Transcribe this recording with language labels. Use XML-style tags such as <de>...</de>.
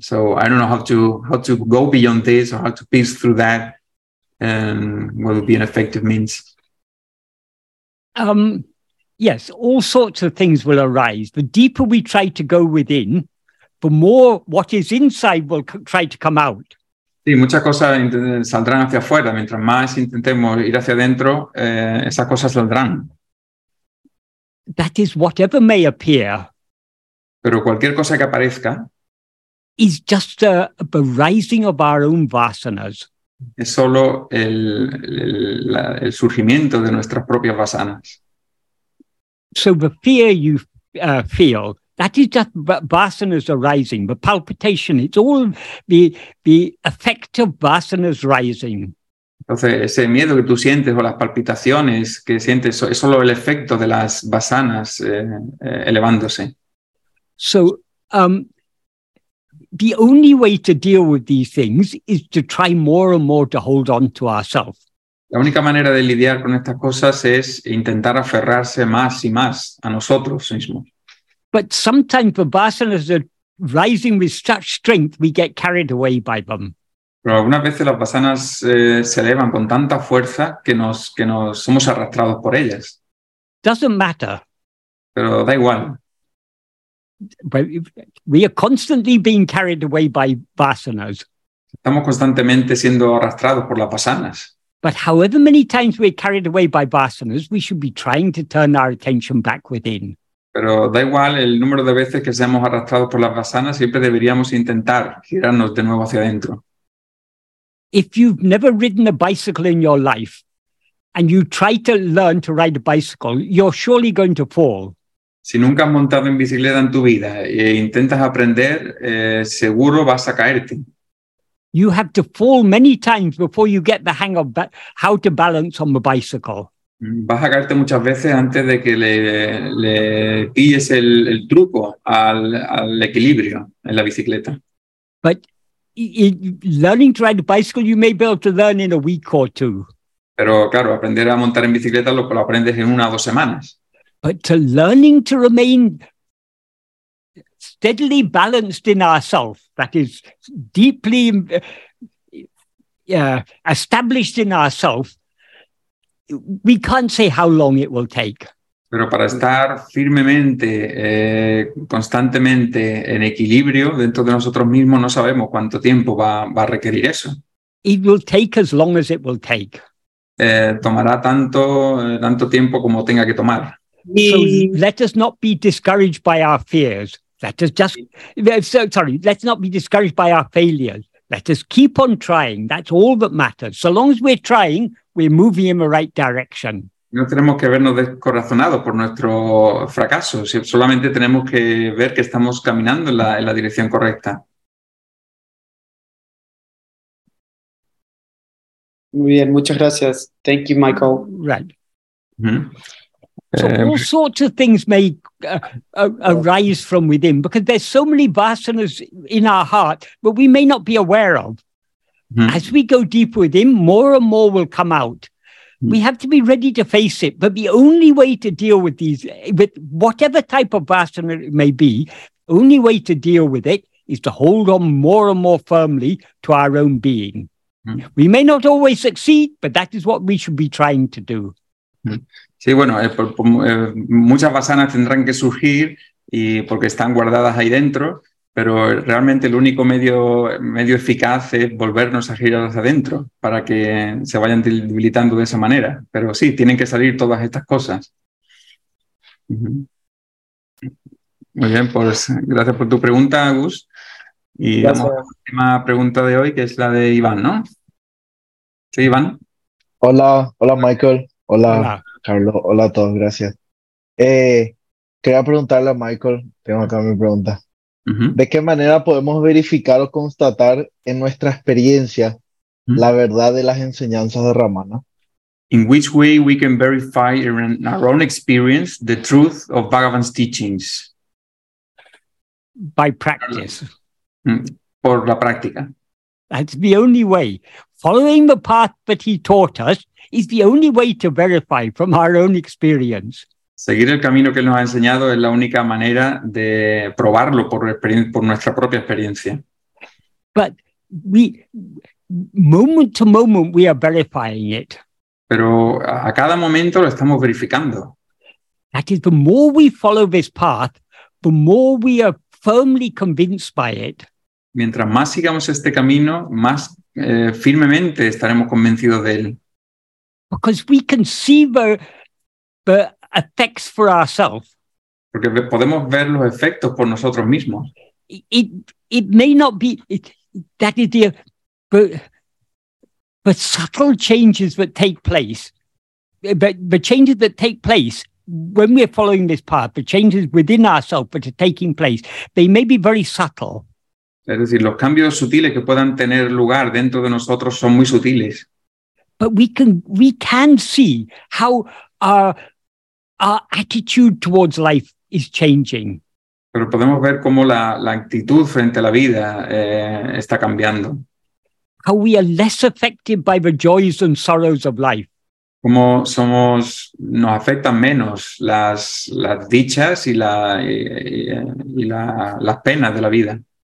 <en>So I don't know how to go beyond this or how to pierce through that. And what would be an effective means? Yes, all sorts of things will arise. The deeper we try to go within, the more what is inside will try to come out.</en> <es>Sí, muchas cosas saldrán hacia afuera. Mientras más intentemos ir hacia adentro, esas cosas saldrán.</es> <en>That is whatever may appear.</en> <es>Pero cualquier cosa que aparezca</es> <en>is just a rising of our own vasanas.</en> <es>Es solo el surgimiento de nuestras propias vasanas.</es> <en>So the fear you feel, that is just vasanas arising, the palpitation, it's all the effect of vasanas rising.</en> <es>Entonces, ese miedo que tú sientes o las palpitaciones que sientes es solo el efecto de las vasanas elevándose.</es> <en>So, the only way to deal with these things is to try more and more to hold on to ourselves.</en> <es>La única manera de lidiar con estas cosas es intentar aferrarse más y más a nosotros mismos.</es> <en>But sometimes the vasanas are rising with such strength we get carried away by them.</en> <es>Pero algunas veces las vasanas se elevan con tanta fuerza que nos somos arrastrados por ellas.</es> <en>Doesn't matter.</en> <es>Pero da igual.</es> <en>We are constantly being carried away by vasanas.</en> <es>Estamos constantemente siendo arrastrados por las vasanas.</es> <en>But however many times we're carried away by vasanas, we should be trying to turn our attention back within.</en> <es>Pero da igual el número de veces que seamos arrastrados por las vasanas, siempre deberíamos intentar girarnos de nuevo hacia adentro.</es> <en>If you've never ridden a bicycle in your life and you try to learn to ride a bicycle, you're surely going to fall.</en> <es>Si nunca has montado en bicicleta en tu vida e intentas aprender, seguro vas a caerte.</es> <en>You have to fall many times before you get the hang of how to balance on the bicycle.</en> <es>Vas a caerte muchas veces antes de que le pilles el truco al equilibrio en la bicicleta.</es> <en>But learning to ride a bicycle, you may be able to learn in a week or two.</en> <es>Pero claro, aprender a montar en bicicleta lo aprendes en una o dos semanas.</es> <en>But to learning to remain steadily balanced in ourselves, that is, deeply established in ourselves, we can't say how long it will take.</en> <es>Pero para estar firmemente, constantemente en equilibrio dentro de nosotros mismos, no sabemos cuánto tiempo va a requerir eso.</es> <en>It will take as long as it will take.</en> <es>Tomará tanto tiempo como tenga que tomar.</es> <en>So let us not be discouraged by our fears. Let's not be discouraged by our failures. Let us keep on trying. That's all that matters. So long as we're trying, we're moving in the right direction.</en> <es>No tenemos que vernos descorazonados por nuestro fracaso. Solamente tenemos que ver que estamos caminando en la dirección correcta. Muy bien, muchas gracias.</es> <en>Thank you, Michael. Right. Mm-hmm. So all sorts of things may arise from within because there's so many vasanas in our heart but we may not be aware of. Mm-hmm. As we go deeper within, more and more will come out. Mm-hmm. We have to be ready to face it, but the only way to deal with these, with whatever type of vasana it may be, only way to deal with it is to hold on more and more firmly to our own being. Mm-hmm. We may not always succeed, but that is what we should be trying to do. Mm-hmm.</en> <es>Sí, bueno, muchas vasanas tendrán que surgir y porque están guardadas ahí dentro, pero realmente el único medio eficaz es volvernos a girar hacia adentro para que se vayan debilitando de esa manera. Pero sí, tienen que salir todas estas cosas. Muy bien, pues gracias por tu pregunta, Agus. Y gracias. Damos la última pregunta de hoy, que es la de Iván, ¿no? Sí, Iván. Hola, hola Michael. Hola, hola. Carlos. Hola a todos, gracias. Quería preguntarle a Michael, tengo acá mi pregunta. ¿De qué manera podemos verificar o constatar en nuestra experiencia la verdad de las enseñanzas de Ramana?</es> <en>In which way we can verify in our own experience the truth of Bhagavan's teachings? By practice.</en> <es>Por la práctica.</es> <en>That's the only way. Following the path that he taught us is the only way to verify from our own experience.</en> <es>Seguir el camino que él nos ha enseñado es la única manera de probarlo por nuestra propia experiencia.</es> <en>But we, moment to moment, we are verifying it.</en> <es>Pero a cada momento lo estamos verificando.</es> <en>That is, the more we follow this path, the more we are firmly convinced by it.</en> <es>Mientras más sigamos este camino, más firmemente estaremos convencidos de él.</es> <en>Because we can see the effects for ourselves.</en> <es>Porque podemos ver los efectos por nosotros mismos.</es> <en>It may not be that is the subtle changes that take place, but the changes that take place when we are following this path, the changes within ourselves that are taking place, they may be very subtle.</en> <es>Es decir, los cambios sutiles que puedan tener lugar dentro de nosotros son muy sutiles.</es> <en>But we can see how our attitude towards life is changing.</en> <es>Pero podemos ver cómo la actitud frente a la vida está cambiando.</es> <en>How we are less affected by the joys and sorrows of life.</en> <es>Cómo nos afectan menos las dichas y las penas de la vida.</es>